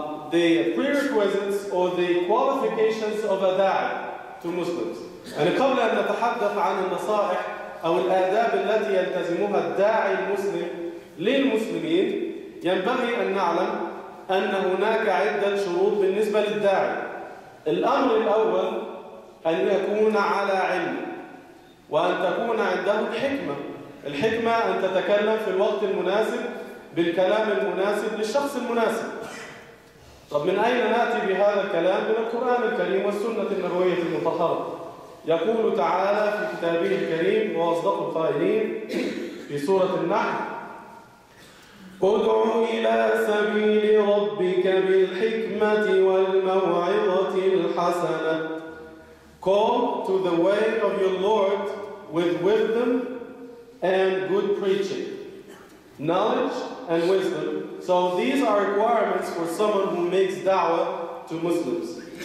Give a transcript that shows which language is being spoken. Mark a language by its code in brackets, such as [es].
[en] the prerequisites or the qualifications of adab to Muslims. [ar] And قبل أن نتحدث عن النصائح أو الآداب التي يلتزمها الداعي المسلم للمسلمين ينبغي أن نعلم أن هناك عدة شروط بالنسبة للداعي. الأمر الأول أن يكون على علم وأن تكون عنده حكمة. الحكمة أن تتكلم في الوقت المناسب بالكلام المناسب للشخص المناسب. طب من أين نأتي بهذا الكلام؟ من القرآن الكريم والسنة النبوية المطهرة. يقول تعالى في كتابه الكريم وأصدق القائلين في سورة النحل: ادع إلى سبيل ربك بالحكمة والموعظة الحسنة. [en] Call to the way of your Lord with wisdom and good preaching. Knowledge and wisdom. So these are requirements for someone who makes da'wah to Muslims.